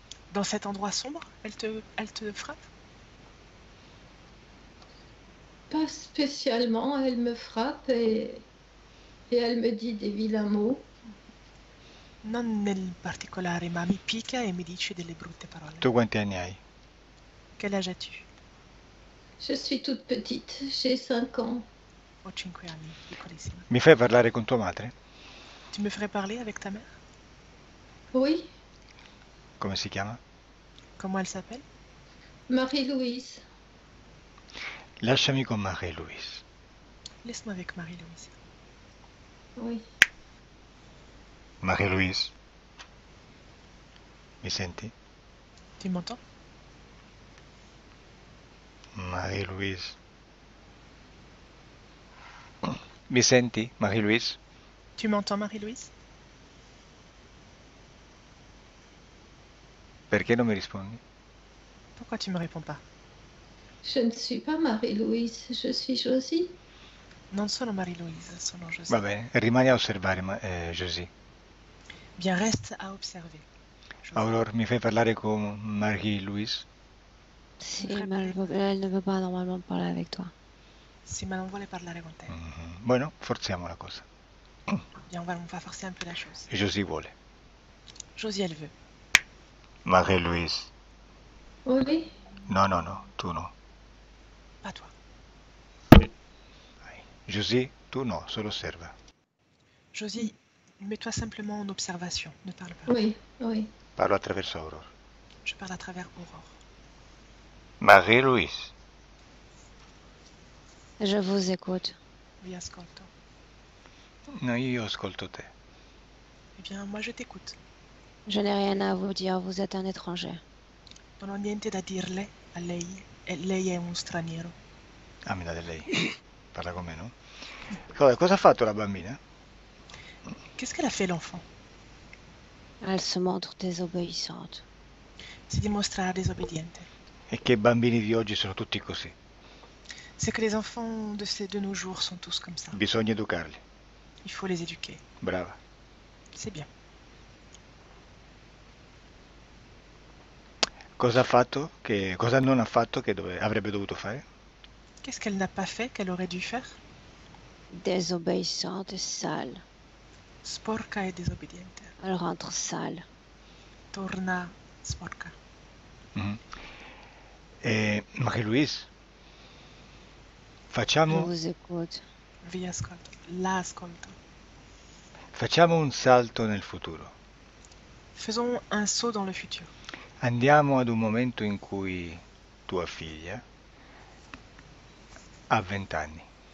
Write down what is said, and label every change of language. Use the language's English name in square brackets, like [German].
[French] Dans cet endroit sombre, elle te frappe? Pas spécialement, elle me frappe et elle me dit des vilains mots. [Italian] Non nel particolare, ma mi picchia e mi dice delle brutte Tu parole. quanti anni hai? [French] Quel âge as-tu? Je suis toute petite, j'ai 5 ans. [Italian] Ho 5 anni, piccolissima. Mi fai parlare con tua madre? [French] Tu me ferais parler avec ta mère? Oui. [Italian] Come si chiama? [French] Comment elle s'appelle? Marie-Louise. [Italian] Lasciami con Marie-Louise. [French] Laisse-moi avec Marie-Louise. Oui. [Italian] Marie-Louise, mi senti? [French] Tu m'entends? [Italian] Marie-Louise, mi senti, Marie-Louise? [French] Tu m'entends, Marie-Louise? [Italian] Perché non mi rispondi? [French] Pourquoi tu ne me réponds pas? Je ne suis pas Marie-Louise, je suis Josie. [Italian] Non sono Marie-Louise, sono Va Josie. bene, rimani a osservare, Josie. [French] Bien, reste à observer, Josie. [Italian] Aurore, mi fai parlare con Marie-Louise? Sì, ma [French] elle ne veut pas normalement parler avec toi. [Italian] Sì, ma non vuole parlare con te. Bueno, forziamo la cosa. [French] Bien, on va forcer un peu la chose. [Italian] Josie vuole. [French] Josie, elle veut. [Italian] Marie-Louise. [French] Oui. [Italian] No, no, no, tu no. [French] Pas toi. [Italian] Josie, tu no, solo osserva. [French] Josie, mets-toi simplement en observation, ne parle pas. Oui. [Italian] Parlo attraverso Aurore. [French] Je parle à travers Aurore. [Italian] Marie-Louise. [French] Je vous écoute. [Italian] Vi ascolto. No, io ascolto te. [French] Eh bien, moi je t'écoute. Je n'ai rien à vous dire, vous êtes un étranger. [Italian] Non ho niente da dirle a lei, e lei è un straniero. Ah, mi date lei. Parla con me, no? Cosa ha fatto la bambina? [French] Qu'est-ce qu'elle a fait l'enfant? Elle se montre désobéissante. [Italian] Si dimostra disobbediente. E che i bambini di oggi sono tutti così? [French] C'est que les enfants de nos jours sont tous comme ça. [Italian] Bisogna educarli. [French] Il faut les éduquer. [Italian] Brava. [French] C'est bien. [Italian] Cosa ha fatto che cosa non ha fatto che dove avrebbe dovuto fare? [French] Qu'est-ce qu'elle n'a pas fait qu'elle aurait dû faire? Désobéissante et sale. [Italian] Sporca e disobbediente. [French] Elle rentre sale. [Italian] Torna sporca. Marie-Louise, facciamo. [French] Je vous écoute. [Italian] Vi ascolto. La ascolto. Facciamo un salto nel futuro. [French] Faisons un saut dans le futur. [Italian] Andiamo ad un momento in cui tua figlia ha 20 anni.